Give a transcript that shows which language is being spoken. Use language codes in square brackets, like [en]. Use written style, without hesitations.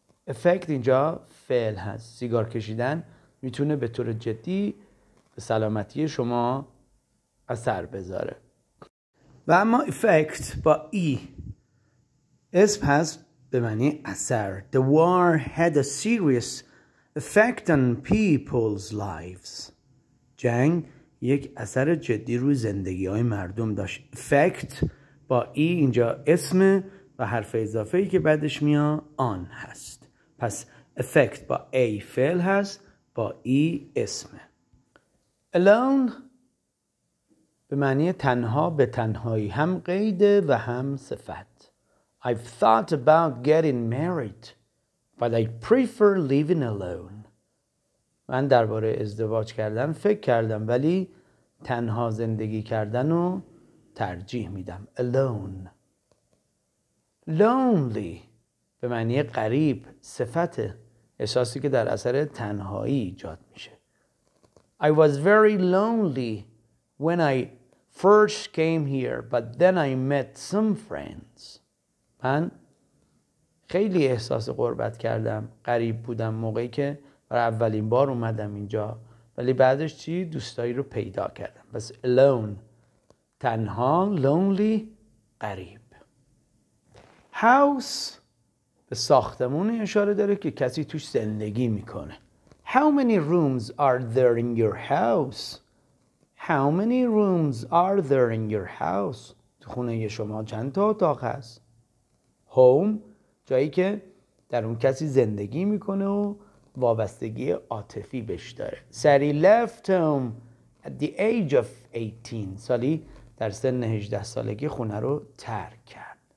[fa] effect اینجا فعل هست. سیگار کشیدن میتونه به طور جدی به سلامتی شما اثر بذاره. و اما effect با ای اسم هست به معنی اثر. [en] The war had a serious effect on people's lives. [fa] جنگ یک اثر جدی روی زندگی های مردم داشت. effect با ای اینجا اسم و حرف اضافه ای که بعدش میاد آن هست. پس effect با A فعل هست، با E اسمه. alone به معنی تنها، به تنهایی، هم قید و هم صفت. [en] I've thought about getting married but I prefer living alone. [fa] من درباره ازدواج کردن فکر کردم ولی تنها زندگی کردن رو ترجیح میدم. [en] alone. [fa] lonely به معنی غریب، صفت، احساسی که در اثر تنهایی ایجاد میشه. [en] I was very lonely when I first came here but then I met some friends. [fa] من خیلی احساس غربت کردم، غریب بودم موقعی که برای اولین بار اومدم اینجا، ولی بعدش چی؟ دوستایی رو پیدا کردم. بس alone، تنها، lonely، غریب. house ساختمونی اشاره داره که کسی توش زندگی میکنه. [en] How many rooms are there in your house? How many rooms are there in your house? [fa] تو خونه شما چند تا اتاق هست؟ Home جایی که در اون کسی زندگی میکنه و وابستگی عاطفی بهش داره. [en] Sally left home at the age of 18. [fa] سالی در سن 18 سالگی خونه رو ترک کرد.